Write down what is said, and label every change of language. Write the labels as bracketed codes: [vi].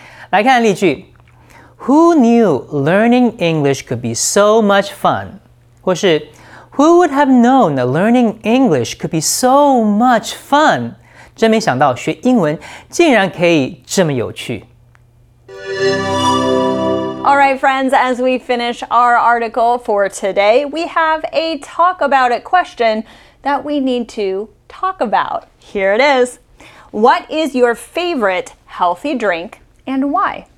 [zh] 来看例句 [en] Who knew learning English could be so much fun? [zh] 或是 [en] Who would have known that learning English could be so much fun? [zh] 真没想到学英文竟然可以这么有趣。 [en] All right, friends, as we finish our article for today, we have a talk about it question that we need to talk about. Here it is. What is your favorite healthy drink and why?